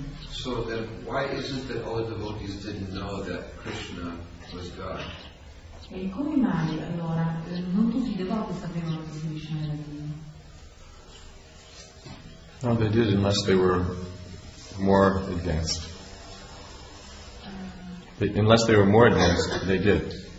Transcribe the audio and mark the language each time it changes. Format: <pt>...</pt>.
<en>So then why is it that all the devotees didn't know that Krishna was God?</en> <it>E come mai allora non tutti i devoti sapevano che Krishna era Dio?</it> <en>No, they did unless they were more advanced. Unless they were more advanced, they did.</en>